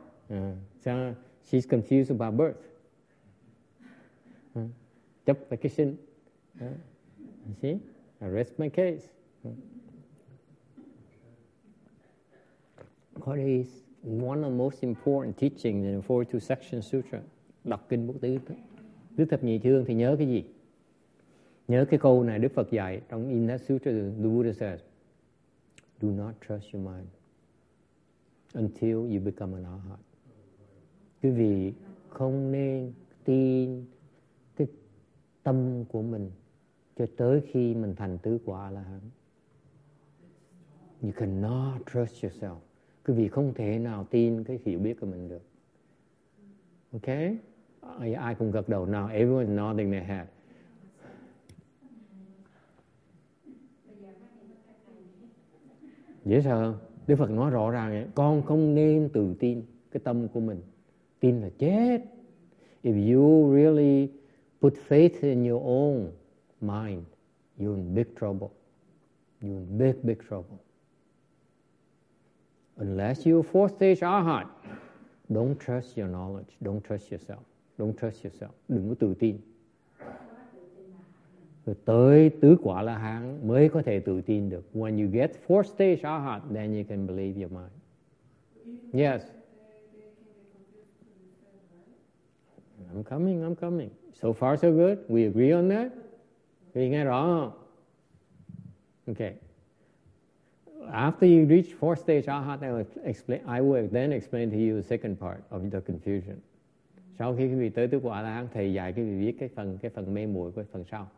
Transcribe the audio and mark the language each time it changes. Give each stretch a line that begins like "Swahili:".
English: Yes. She's confused about birth.
Vietnamese: Chấp cái sinh.
English: See? I rest my case. What is one of the most important teachings in the 42-section sutra?
Vietnamese: Đọc kinh Bức Tứ Thập Nhị Chương thì nhớ cái gì? Nhớ cái câu này Đức Phật dạy trong
English: in that sutra, the Buddha says, do not trust your mind until you become an arahant.
Vietnamese: Quý vị không nên tin cái tâm của mình cho tới khi mình thành tứ quả là hẳn.
English: You cannot trust yourself.
Vietnamese: Quý vị không thể nào tin cái hiểu biết của mình được. Okay? ai cũng gật đầu.
English: Now everyone's nodding their head.
Vietnamese: Dễ sợ không? Đức Phật nói rõ ràng vậy. Con không nên tự tin cái tâm của mình. Tin là chết.
English: If you really put faith in your own mind, you're in big trouble. You're in big, big trouble. Unless you're fourth stage arhat, don't trust your knowledge. Don't trust yourself. Don't trust yourself.
Vietnamese: Đừng có tự tin. Rồi tới tứ quả la hán mới có thể tự tin được.
English: When you get fourth stage arhat, then you can believe your mind. Yes. I'm coming. So far, so good. We agree on that?
Vietnamese: Vì nghe rõ không?
English: Okay. After you reach fourth stage arhat, I will then explain to you the second part of the confusion.
Vietnamese: Sau khi quý vị tới tứ quả la hán, thầy dạy quý vị biết cái phần mê muội của phần sau.